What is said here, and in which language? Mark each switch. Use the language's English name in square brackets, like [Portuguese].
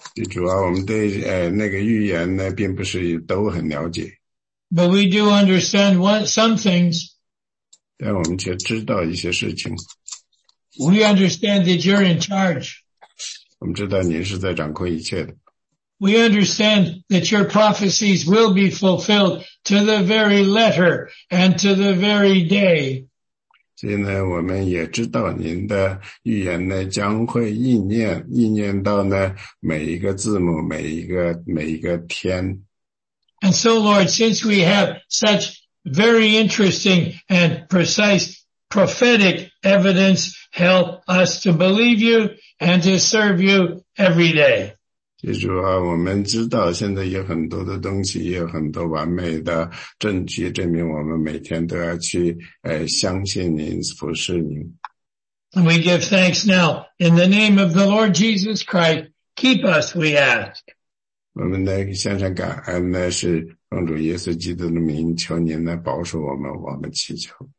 [Chinese] 主啊我们对那个预言呢并不是都很了解。 [English] But we do understand some things. [Chinese] 但我们却知道一些事情。 [English] We understand that you're in charge. [Chinese] 我们知道您是在掌控一切的。 [English] We understand that your prophecies will be fulfilled to the very letter and to the very day. [Chinese] 所以呢我们也知道您的预言呢将会应验应验到呢每一个字母每一个天。 [English] And so Lord, since we have such very interesting and precise prophetic evidence, help us to believe you and to serve you every day. [Chinese] 记住啊我们知道现在有很多的东西也有很多完美的证据证明我们每天都要去相信您服侍您。 [English] We give thanks now in the name of the Lord Jesus Christ. Keep us, we ask. [Chinese] 我们的献上感恩呢是奉主耶稣基督的名求您来保守我们我们祈求。